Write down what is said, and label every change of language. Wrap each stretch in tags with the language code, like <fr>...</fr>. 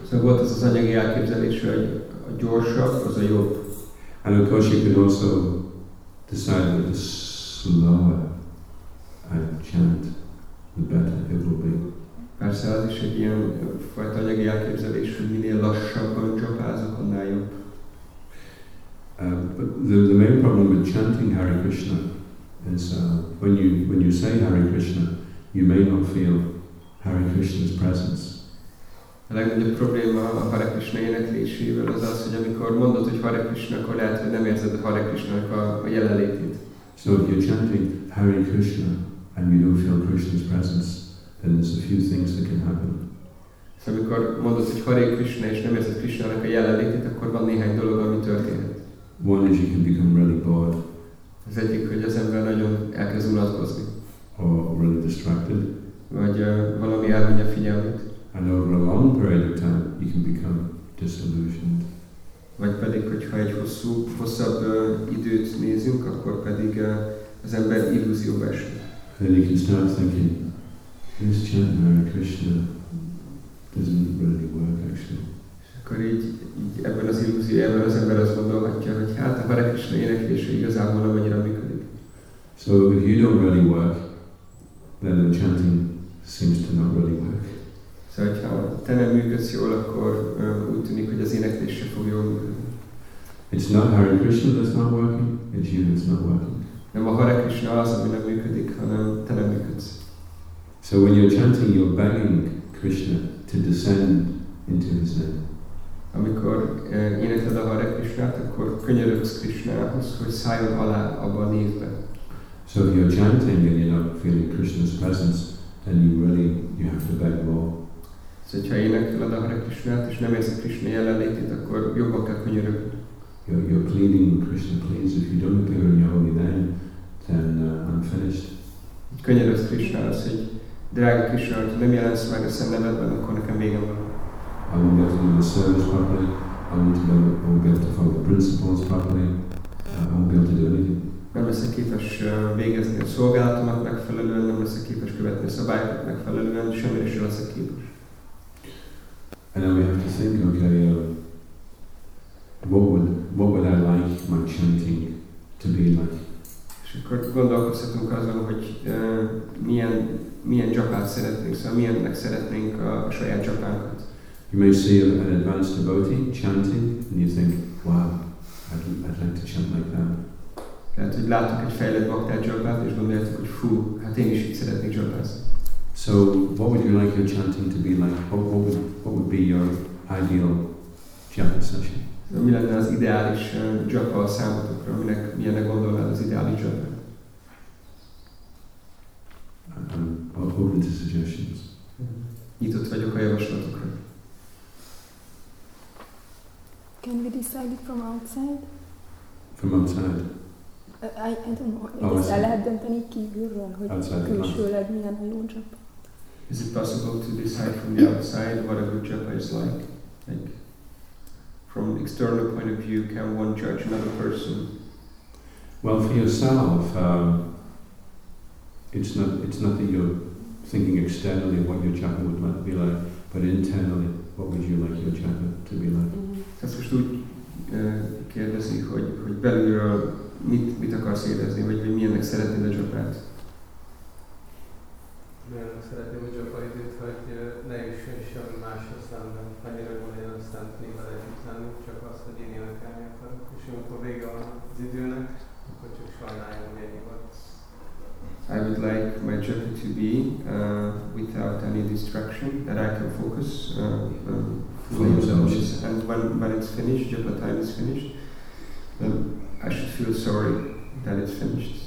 <en>So what is this</en> <hu>anyagi elképzelés, hogy a gyorsabb az a jobb?</hu> <en>And of course you can also decide that the slower I chant, the better it will be.</en> <hu>Persze az is egy ilyen fajta anyagi elképzelés, hogy minél lassabban csapázok, annál jobb.</hu> <en>But the main problem with chanting Hare Krishna is when you say Hare Krishna, you may not feel Hare Krishna's presence.</en> <hu>A legnagyobb probléma a Hare Krishna éneklésével az az, hogy amikor mondod, hogy Hare Krishna, akkor lehet, hogy nem érzed a Hare Krishna-nak a jelenlétét.</hu> <en>So if you're chanting Hare Krishna and you don't feel Krishna's presence, then there's a few things that can happen.</en> <hu>So amikor mondod, hogy Hare Krishna és nem érzed Krishna-nak a jelenlétét, akkor van néhány dolog, ami történhet.</hu> <en>One is you can become really bored.</en> <hu>Az egyik, hogy az ember nagyon elkezd unatkozni.</hu> <en>Or really distracted.</en> <hu>Vagy valami elvinni a figyelmet.</hu> <en>And over a long period of time, you can become disillusioned.</en> <hu>Vagy pedig, hogyha egy hosszabb időt nézünk, akkor pedig az ember illúzióba esik.</hu> <en>Then you can start thinking, this chant Hare Krishna doesn't really work actually.</en> <hu>És akkor így ebben az illúzióban az ember azt gondolhatja, hogy hát a Hare Krishna éneklése igazából nem annyira működik.</hu> <en>So if you don't really work, then the chanting seems to not really work. So if you don't work well, then it seems that the chanting will not work. It's not Hare Krishna that's not working, it's you that's not working.</en> <hu>Nem a Hare Krishna az, ami nem működik, hanem te nem működsz.</hu> <en>So when you're chanting, you're begging Krishna to descend into his name.</en> <hu>Amikor énekled a Hare Krishnát, akkor könyörögsz Krishnához, hogy szálljon alá abba a névbe.</hu> <en>So if you're chanting and you're not feeling Krishna's presence, then you have to beg more.</en> <hu>Szóval, ha énekled a Hare Krishnát, és nem érzed Krishna jelenlétét, akkor jobban kell könyörögni.</hu> <en>You're pleading, Krishna pleads, if you don't appear in Yogi then I'm finished.</en> <hu>Könyörögsz Krishnához, hogy drága Krishna, ha nem jelensz meg a szennemedben, akkor nekem vége van.</hu> <en>I won't be able to do the service properly, I won't be able to follow the principles properly, I won't be able to do anything.</en> <hu>Nem leszek képes végezni a szolgálatomat megfelelően, nem leszek képes követni a szabályokat megfelelően, semmire sem leszek képes.</hu> <en>And then we have to think, okay, what would I like my chanting to be like?</en> <hu>És akkor gondolkozhatunk azon, hogy milyen japán szeretnénk, szóval milyennek szeretnénk a saját japánkat.</hu> <en>You may see an advanced devotee chanting, and you think, "Wow, I'd like to chant like that."</en> <hu>Lehet, hogy látok egy fejlett baktát dzsopát, és gondoljátok, hogy fú, hát én is így szeretnék dzsopázni.</hu> <en>So, what would you like your chanting to be like? What would be your ideal japa session?</en> <hu>So, mi lenne az ideális dzsopa a számotokra, aminek milyennek gondolnád az ideális dzsopa?</hu> <en>I'm open to suggestions.</en> <hu>Nyitott vagyok a javaslatokra.</hu> <en>Can we decide it from outside? From outside? I don't know.</en> <hu>Ezt el lehet dönteni kívülről, hogy külsőleg milyen a jó japa.</hu> <en>Is it possible to decide from the outside what a good japa is like? Like, from external point of view, can one judge another person? Well, for yourself, it's not that you're thinking externally what your japa would like to be like, but internally. What would you like your japa to be like?</en> <hu>Tehát most úgy kérdezi, hogy belülről mit akarsz érezni, vagy hogy milyennek szeretnéd a japát? Milyennek szeretném a japaidit, hogy ne jusson semmi máshoz szemben, annyira gondoljon a szent névvel együtt lenni, csak azt, hogy én énekelni akarok, és amikor vége van az időnek, akkor csak sajnáljon végig van.</hu> <en>I would like my japa to be without any distraction, that I can focus fully on this. And when it's finished, japa time is finished, then I should feel sorry that it's finished.</en>